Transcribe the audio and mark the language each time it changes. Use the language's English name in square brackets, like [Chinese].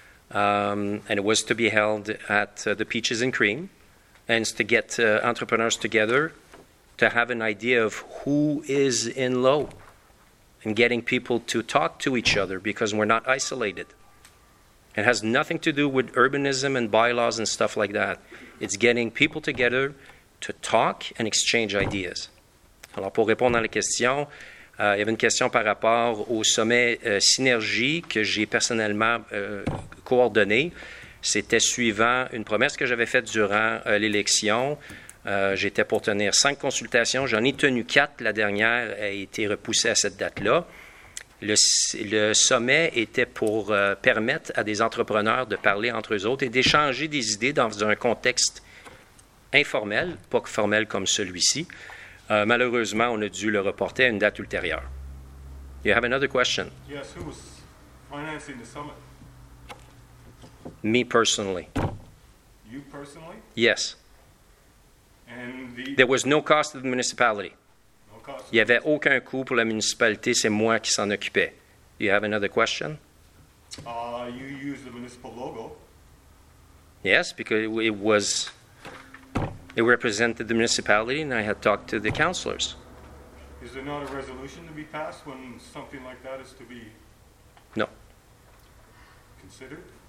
[English] And it was to be held at the Peaches and Cream, and to get entrepreneurs together to have an idea of who is in low and getting people to talk to each other because we're not isolated. It has nothing to do with urbanism and bylaws and stuff like that. It's getting people together to talk and exchange ideas. [French] Alors, pour répondre à la question, il y avait une question par rapport au sommet Synergie que j'ai personnellement coordonné. C'était suivant une promesse que j'avais faite durant l'élection. J'étais pour tenir cinq consultations. J'en ai tenu quatre. La dernière a été repoussée à cette date-là. Le sommet était pour permettre à des entrepreneurs de parler entre eux autres et d'échanger des idées dans un contexte informel, pas formel comme celui-ci. Malheureusement, on a dû le reporter à une date ultérieure. [English] You have another question? Yes, who was financing the summit? Me personally. You personally? Yes. And the there was no cost to the municipality. No cost. [French] Il n'y avait aucun coût pour la municipalité, c'est moi qui s'en occupais. [English] You have another question? You used the municipal logo. Yes, because it was it represented the municipality and I had talked to the councillors. Is there not a resolution to be passed when something like that is to be no. considered?